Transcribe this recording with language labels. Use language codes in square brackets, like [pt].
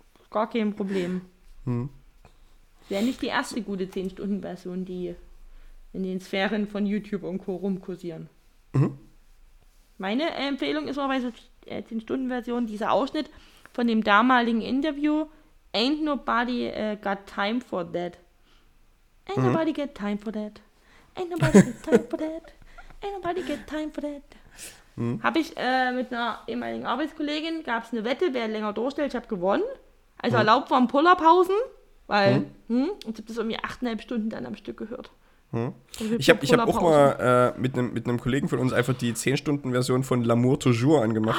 [de] Gar kein Problem. Wäre nicht die erste gute 10-Stunden-Version, die in den Sphären von YouTube und Co. rumkursieren. Meine Empfehlung ist mal bei so 10-Stunden-Version dieser Ausschnitt von dem damaligen Interview. [en] Ain't nobody got time for that. Ain't nobody got time for that. Ain't nobody got time for that. Ain't nobody got time for that. [de] Habe ich mit einer ehemaligen Arbeitskollegin, gab es eine Wette, wer länger durchstellt, ich habe gewonnen. Also erlaubt waren Pullerpausen, weil ich habe das irgendwie 8,5 Stunden dann am Stück gehört. Ich hab auch mal mit einem Kollegen von uns einfach die 10-Stunden-Version von L'Amour Toujours angemacht.